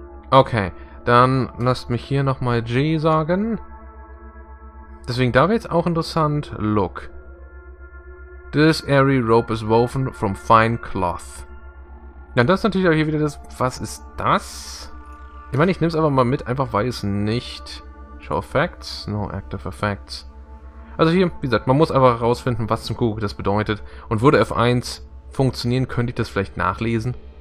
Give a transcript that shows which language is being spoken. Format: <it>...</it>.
<de>Okay, dann lasst mich hier nochmal G sagen. Deswegen, da wird's auch interessant. Look.</de> <en>This airy rope is woven from fine cloth.</en> <de>Ja, das ist natürlich auch hier wieder das... Was ist das? Ich meine, ich nehme es einfach mal mit, einfach weil es nicht...</de> <en>Show effects? No active effects.</en> <de>Also hier, wie gesagt, man muss einfach herausfinden, was zum Kuckuck das bedeutet. Und würde F1 funktionieren, könnte ich das vielleicht nachlesen.</de>